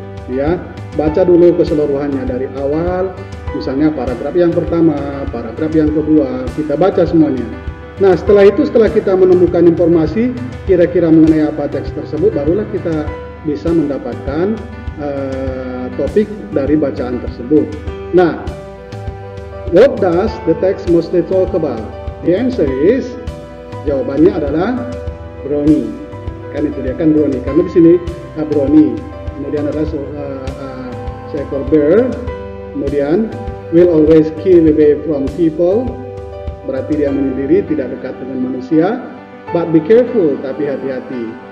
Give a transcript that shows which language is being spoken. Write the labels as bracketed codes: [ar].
[id] Ya, baca dulu keseluruhannya dari awal, misalnya paragraf yang pertama, paragraf yang kedua, kita baca semuanya. Nah, setelah itu, setelah kita menemukan informasi kira-kira mengenai apa teks tersebut, barulah kita bisa mendapatkan topik dari bacaan tersebut. [en] Nah, what does the text mostly talk about? The answer is, [id] jawabannya adalah brownie. Kan itu dia kan brownie, karena di sini brownie. Kemudian ada seekor bear, kemudian [en] will always keep away from people, [id] berarti dia menyendiri, tidak dekat dengan manusia. [en] But be careful, [id] tapi hati-hati.